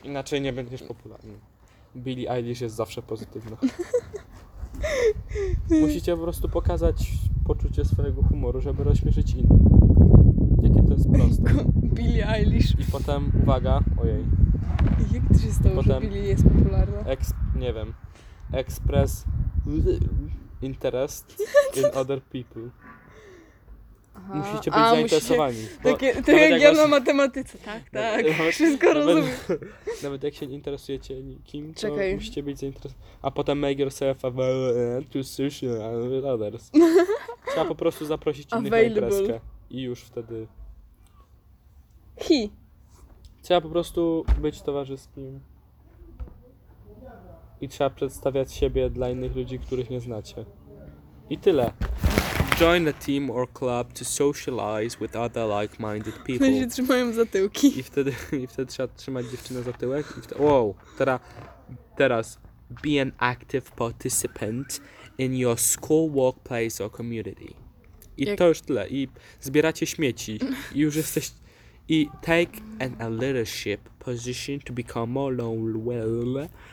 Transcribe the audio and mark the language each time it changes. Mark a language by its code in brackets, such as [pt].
[pl] Inaczej nie będziesz popularny. Billie Eilish jest zawsze pozytywna. Musicie po prostu pokazać poczucie swojego humoru, żeby rozśmieszyć innych. Jakie to jest proste. Billie Eilish. I potem, uwaga, ojej. Jak to się stało, potem że Billie jest popularna? Nie wiem. [en] Express interest in other people. [pl] Aha. Musicie być zainteresowani. Tak jak ja na matematyce. Tak. Wszystko rozumiem. Nawet jak się nie interesujecie nikim, to czekaj. Musicie być zainteresowani. A potem [en] make yourself available to social and others. [pl] Trzeba po prostu zaprosić innych na imprezkę. I już wtedy... He. Trzeba po prostu być towarzyskim. I trzeba przedstawiać siebie dla innych ludzi, których nie znacie. I tyle. [en] Join a team or club to socialize with other like-minded people. [pl] Się trzymają za tyłki. I wtedy trzeba trzymać dziewczynę za tyłek. Wow. Teraz. [en] Be an active participant in your school, workplace or community. [pl] I jak... to już tyle. I zbieracie śmieci. I już jesteś... [en] I take an a leadership position to become more well-known.